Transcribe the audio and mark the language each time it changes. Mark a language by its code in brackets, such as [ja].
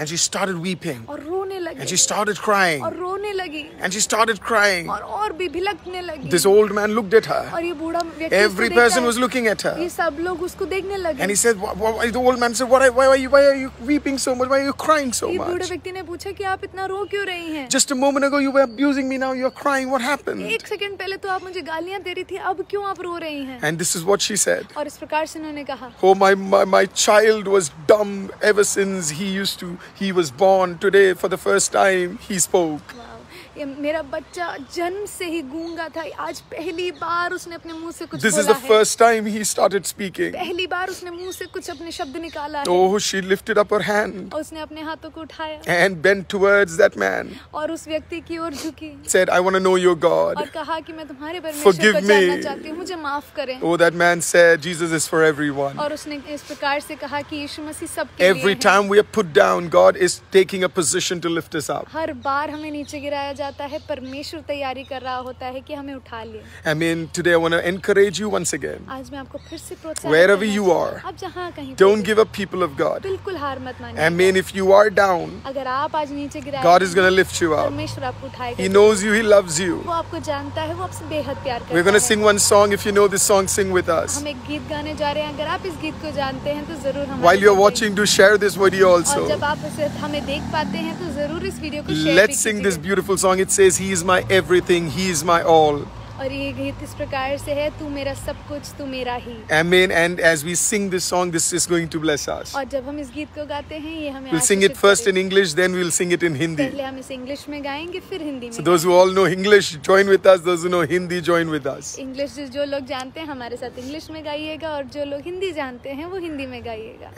[en] And she started weeping. [hi] और रोने लगी. [en] And she started crying. [hi] और रोने लगी. [en] And she started crying. [hi] और भी भिलकने लगी. [en] This old man looked at her. [hi] और ये बूढ़ा व्यक्ति. [en] Every person was looking at her. [hi] ये सब लोग उसको देखने लगे. [en] And he said, the old man said, why are you weeping so much? Why are you crying so much? [hi] ये बूढ़े व्यक्ति ने पूछा कि आप इतना रो क्यों रही हैं? [en] Just a moment ago you were abusing me, now you're crying. What happened? [hi] एक सेकंड पहले तो आप मुझे गालियां दे रही थी, अब क्यों आप रो रही हैं? [en] And this is what she said. [hi] और इस प्रकार से उन्होंने कहा, [en] Oh, my child was dumb. Ever since he was born, today for the first time he spoke. [hi] मेरा बच्चा जन्म से ही गूंगा था, आज पहली बार उसने अपने मुंह से कुछ [en] This [hi] बोला [en] is the first time he started speaking. [hi] पहली बार उसने मुंह से कुछ अपने शब्द निकाला. [en] Oh, she lifted up her hand. [hi] उसने अपने हाथों को उठाया. [en] And bent towards that man. [hi] और उस व्यक्ति की ओर झुकी. [en] Said, I want to know your God. [hi] और कहा कि मैं तुम्हारे परमेश्वर को जानना चाहती हूँ, मुझे माफ करें. [en] Oh, that man said, Jesus is for everyone. [hi] और उसने इस प्रकार से कहा कि यीशु मसीह सबके लिए है. [en] Every time we are put down, God is taking a position to lift us up. [hi] हर बार हमें नीचे गिराया जाता, परमेश्वर तैयारी कर रहा होता है कि हमें उठा ले. [en] I mean, today I want to encourage you once again. [hi] आज मैं आपको फिर से प्रोत्साहित करना चाहता हूं. [en] Wherever you are, [hi] आप जहां कहीं, [en] don't give up, people of God. [hi] बिल्कुल हार मत मानिए. [en] I mean, if you are down, [hi] अगर आप आज नीचे गिरा [en] God is going to lift you up. [hi] परमेश्वर आपको उठाएगा. [en] He knows you, he loves you. [hi] वो आपको जानता है, वो आपसे बेहद प्यार करता है. [en] We're going to sing one song. If you know this song, sing with us. [hi] हम एक गीत गाने जा रहे हैं. अगर आप इस गीत को जानते हैं तो जरूर हमारे, [en] while you're watching, do share this video also. [hi] और जब आप इसे हमें देख पाते हैं तो जरूर इस वीडियो को शेयर कीजिए. [en] Let's sing this beautiful song. It says, He is my everything, He is my all. [hi] और ये गीत इस प्रकार से है, तू मेरा सब कुछ, तू मेरा ही. [en] Amen. And as we sing this song, this is going to bless us. [hi] और जब हम इस गीत को गाते हैं, ये हमें, [en] we'll sing it first in English, then we'll sing it in Hindi. [hi] पहले हम इसे इंग्लिश में गाएंगे, फिर हिंदी में. [en] So those who all know English, join with us. Those who know Hindi, join with us. [hi] English जो लोग जानते हैं, हमारे साथ इंग्लिश में गाइएगा, और जो लोग हिंदी जानते हैं वो हिंदी में गाइएगा.